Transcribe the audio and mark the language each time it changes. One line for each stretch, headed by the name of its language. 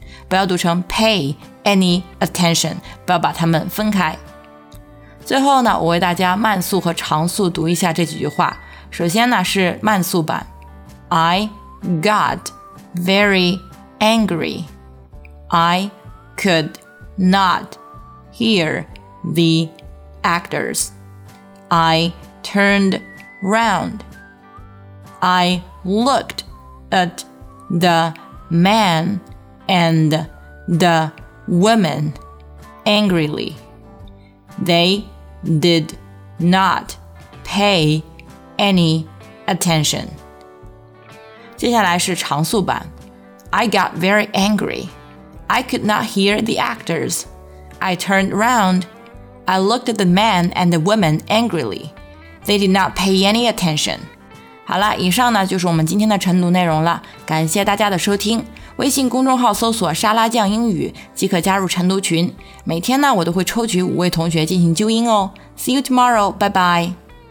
Chinese: 不要读成
English: pay any attention，
Chinese: 不要把它们分开。最后呢，我为大家慢速和长速读一下这几句话。首先呢是慢速版，
English: I got very angry. I could not hear the actors. I turned round. I looked at the man and the woman angrily. They did not pay any attention.
Chinese: 接下来是长速版。
English: I got very angry. I could not hear the actors. I turned round. I looked at the man and the woman angrily. They did not pay any attention.
Chinese: 好了，以上呢就是我们今天的晨读内容了。感谢大家的收听。微信公众号搜索沙拉酱英语即可加入晨读群。每天呢我都会抽取五位同学进行纠音哦。
English: See you tomorrow. Bye bye.